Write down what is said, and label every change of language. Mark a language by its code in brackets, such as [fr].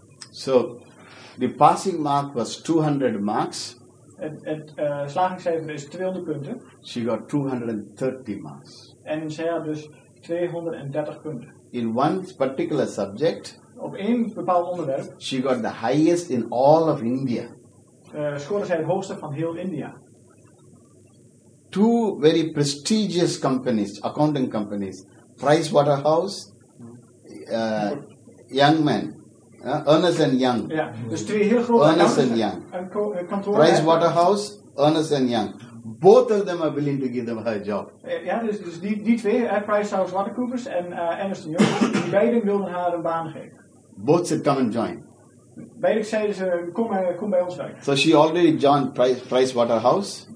[en] So, the passing mark was 200 marks. [nl] Het slagingscijfer is 200 punten. [en] She got 230 marks. [nl] En zij had dus 230 punten. [en] In one particular subject. [nl] Op één bepaald onderwerp. [en] She got the highest in all of India. [nl] Scoorde zij het hoogste van heel India. [en] Two very prestigious companies, accounting companies, Pricewaterhouse, Young Men, Ernst & Young. [nl] Ja, dus twee heel grote Ernst & Young. Pricewaterhouse, Ernst & Young. [en] Both of them are willing to give them her job. [nl] Ja, dus die twee, PricewaterhouseCoopers en Ernst & Young, die beiden wilden haar een baan geven. [en] Both said come and join. [nl] Beide zeiden ze, kom bij ons werken. [en] So she already joined Pricewaterhouse.